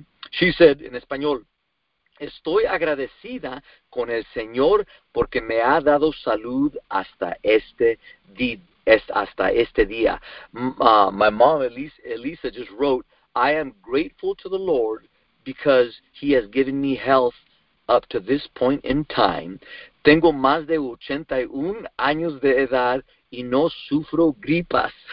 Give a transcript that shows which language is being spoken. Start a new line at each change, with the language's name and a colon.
English: She said
Spanish: en español: Estoy agradecida con el Señor porque me ha dado salud hasta este día. Hasta este día.
English: My mom, Elisa, just wrote, I am grateful to the Lord because he has given me health up to this point in time.
Spanish: Tengo más de 81 años de edad y no sufro gripas.